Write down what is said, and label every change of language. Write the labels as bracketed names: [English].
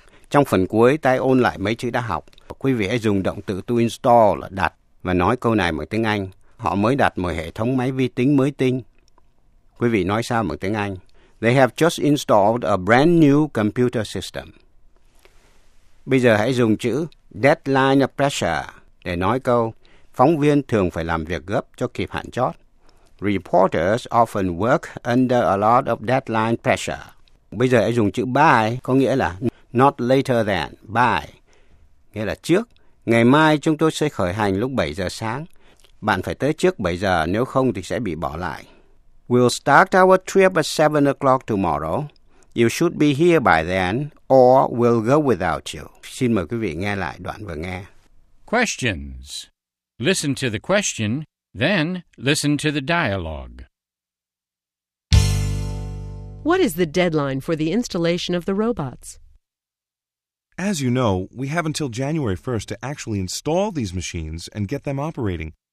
[Vietnamese] Trong phần cuối, tay ôn lại mấy chữ đã học. Quý vị hãy dùng động từ to install là đặt và nói câu này bằng tiếng Anh. Họ mới đặt một hệ thống máy vi tính mới tinh. Quý vị nói sao bằng tiếng Anh? [English] They have just installed a brand new computer system. [Vietnamese] Bây giờ hãy dùng chữ deadline pressure để nói câu phóng viên thường phải làm việc gấp cho kịp hạn chót. [English] Reporters often work under a lot of deadline pressure. [Vietnamese] Bây giờ hãy dùng chữ by có nghĩa là [English] not later than, [Vietnamese] by, nghĩa là trước. Ngày mai chúng tôi sẽ khởi hành lúc 7 giờ sáng. Bạn phải tới trước 7 giờ, nếu không thì sẽ bị bỏ lại. [English] We'll start our trip at 7 o'clock tomorrow. You should be here by then, or we'll go without you. [Vietnamese] Xin mời quý vị nghe lại đoạn vừa nghe. [English] Questions. Listen to the question, then listen to the dialogue. What is the deadline for the installation of the robots? As you know, we have until January 1st to actually install these machines and get them operating.